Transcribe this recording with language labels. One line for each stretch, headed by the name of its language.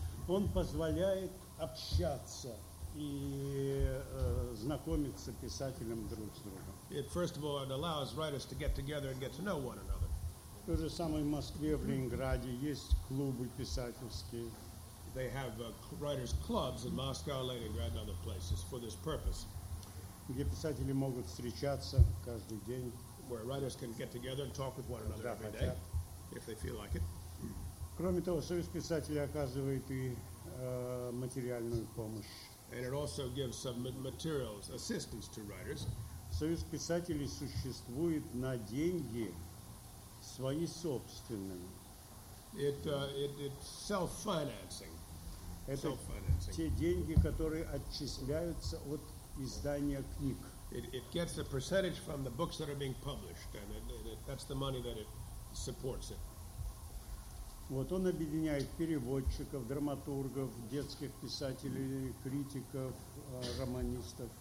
Russian: Он позволяет общаться и знакомиться писателям друг с другом.
English: It first of all it allows writers to get together and get to know one another.
Russian: То же самое в Москве, в Ленинграде есть клубы писательские.
English: They have writers' clubs in Moscow, Leningrad, and other places for this purpose.
Russian: Где писатели могут встречаться каждый день.
English: Where writers can get together and talk with one another every day, if they feel like it.
Russian: Кроме того, Союз писателей оказывает и материальную помощь.
English: And it also gives some materials assistance to writers.
Russian: Союз писателей существует на деньги. Свои собственные.
English: It self-financing.
Russian: Это те деньги, которые отчисляются от издания книг.
English: It gets a percentage from the books that are being published, and it that's the money that it supports it.
Russian: Вот он объединяет переводчиков, драматургов, детских писателей, критиков, романистов.